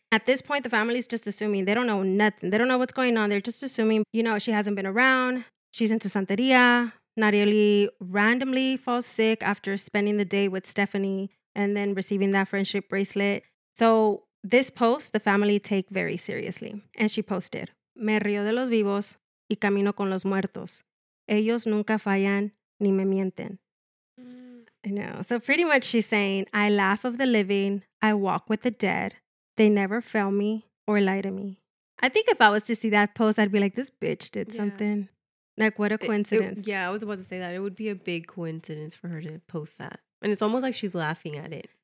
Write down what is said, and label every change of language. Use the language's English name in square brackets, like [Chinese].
[English] At this point, the family's just assuming. They don't know nothing. They don't know what's going on. They're just assuming, you know, she hasn't been around. She's into Santeria. Naryeli randomly falls sick after spending the day with Stephanie and then receiving that friendship bracelet. So this post, the family take very seriously. And she posted, [Spanish] me río de los vivos y camino con los muertos. Ellos nunca fallan ni me mienten. Mm. [English] I know. So pretty much she's saying, I laugh of the living. I walk with the dead. They never fail me or lie to me. I think if I was to see that post, I'd be like, this bitch did something. Like, what a coincidence. I was about to say that. It would be a big coincidence for her to post that. And it's almost like she's laughing at it.